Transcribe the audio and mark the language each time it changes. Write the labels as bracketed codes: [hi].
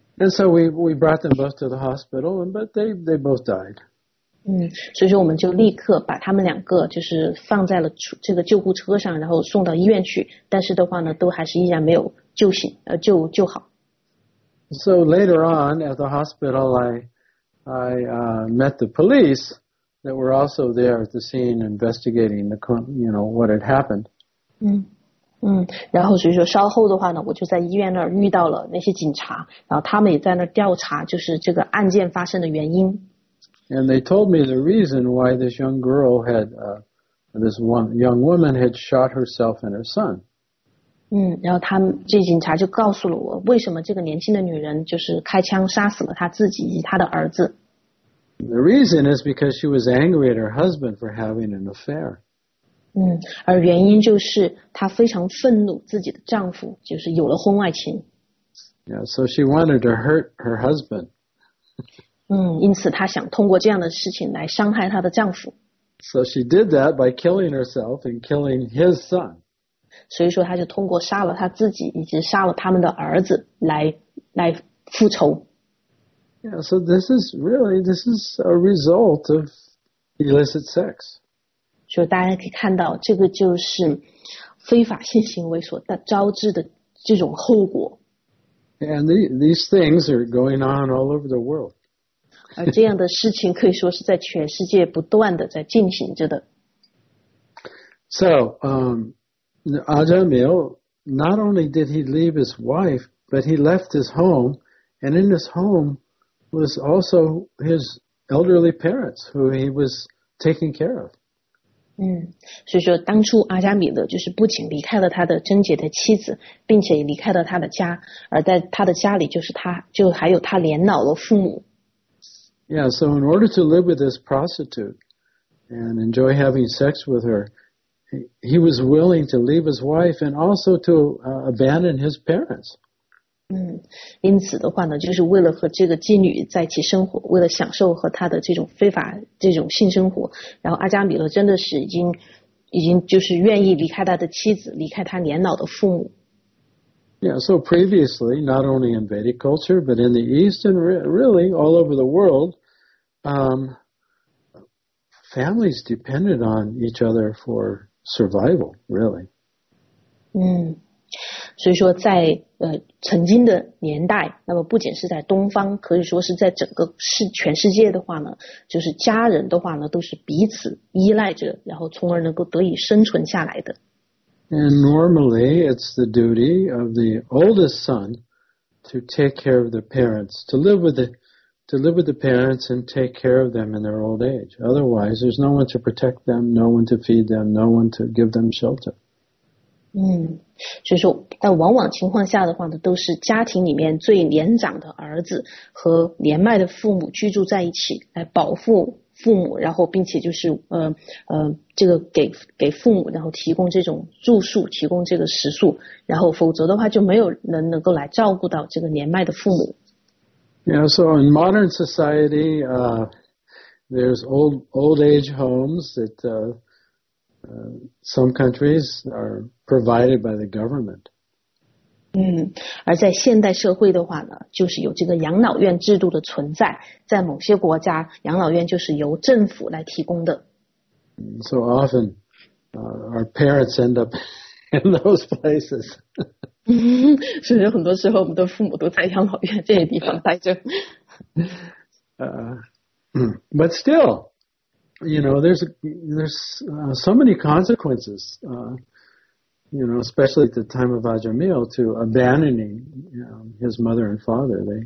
[en] And so we brought them both to the hospital, but they both died. [zh] 所以说我们就立刻把他们两个就是放在了这个救护车上，然后送到医院去。但是的话呢，都还是依然没有救醒，救好。 [en] So later on at the hospital, I met the police that were also there at the scene investigating the, you know, what had happened. [zh] 然后所以说稍后的话呢，我就在医院那儿遇到了那些警察，然后他们也在那儿调查就是这个案件发生的原因。 [en] And they told me the reason why this young girl had This one young woman had shot herself and her son. [zh] 嗯，然后他们这警察就告诉了我，为什么这个年轻的女人就是开枪杀死了她自己以及她的儿子。 [en] The reason is because she was angry at her husband for having an affair. [zh] 嗯，而原因就是她非常愤怒自己的丈夫就是有了婚外情。 [en] Yeah, so she wanted to hurt her husband. [zh] 嗯，因此她想通过这样的事情来伤害她的丈夫。 [en] So she did that by killing herself and killing his son. [zh] 所以说她就通过杀了她自己以及杀了他们的儿子来复仇。 [en] Yeah, so this is really, this is a result of illicit sex. [zh] 所以大家可以看到这个就是非法性行为所招致的这种后果。 [en] And these things are going on all over the world. [zh] 而这样的事情可以说是在全世界不断的在进行着的。 [en] So, Ajamil, not only did he leave his wife, but he left his home, and in his home,was also his elderly parents who he was taking care of. [zh] 嗯，所以说当初阿加米勒就是不仅离开了他的贞洁的妻子，并且离开了他的家，而在他的家里就是他就还有他年老的父母。 [en] Yeah, so in order to live with this prostitute and enjoy having sex with her, he was willing to leave his wife and also to abandon his parents. [zh] 嗯，因此的话呢，就是为了和这个妓女在一起生活，为了享受和她的这种非法这种性生活，然后阿加米勒真的是已经就是愿意离开他的妻子，离开他年老的父母。 [en] Yeah, so previously, not only in Vedic culture, but in the East and really all over the world, families depended on each other for survival, really. 嗯。 [zh] 所以说在曾经的年代，那么不仅是在东方，可以说是在整个是全世界的话呢，就是家人的话呢都是彼此依赖着，然后从而能够得以生存下来的。 [en] And normally it's the duty of the oldest son to take care of the parents, to live with the parents and take care of them in their old age. Otherwise there's no one to protect them, no one to feed them, no one to give them shelter. 嗯。 [zh] 所以说但往往情况下的话呢都是家庭里面最年长的儿子和年迈的父母居住在一起来保护父母然后并且就是这个给父母然后提供这种住宿提供这个食宿然后否则的话就没有人能够来照顾到这个年迈的父母。 [en] Yeah, so in modern society, there's old age homes that, some countries are provided by the government. [zh] 嗯，而在现代社会的话呢，就是有这个养老院制度的存在，在某些国家，养老院就是由政府来提供的。 [en] So often, our parents end up in those places. [zh] 所以很多时候我们的父母都在养老院这些地方待着。 [en] But still,You know, there's so many consequences, you know, especially at the time of Ajamil to abandoning his mother and father.